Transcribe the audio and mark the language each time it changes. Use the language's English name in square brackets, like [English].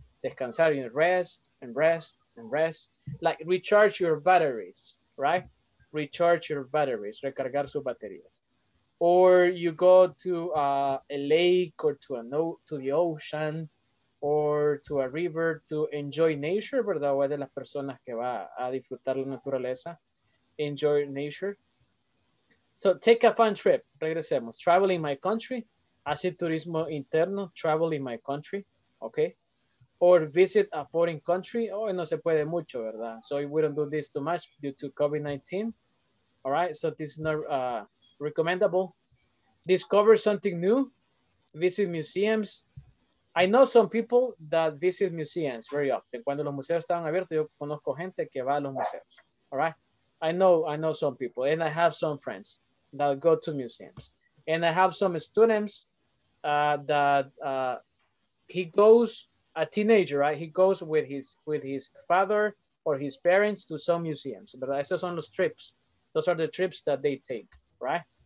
[English] Descansar and rest and rest and rest. Like recharge your batteries, right? Recharge your batteries. Recargar sus baterías. Or you go to a lake or to the ocean. Or to a river to enjoy nature, ¿verdad? [Spanish] O es de las personas que va a disfrutar la naturaleza. [English] Enjoy nature. So take a fun trip. Regresemos. Travel in my country. Hace turismo interno. Travel in my country. Okay. Or visit a foreign country. Oh, no se puede mucho, ¿verdad? So we don't do this too much due to COVID-19. All right. So this is not recommendable. Discover something new. Visit museums. I know some people that visit museums very often. [Spanish] Cuando los museos estaban abiertos, yo conozco gente que va a los museos. [English] All right? I know some people, and I have some friends that go to museums. And I have some students a teenager, with his father or his parents to some museums. But esos son los trips. Those are the trips that they take, right?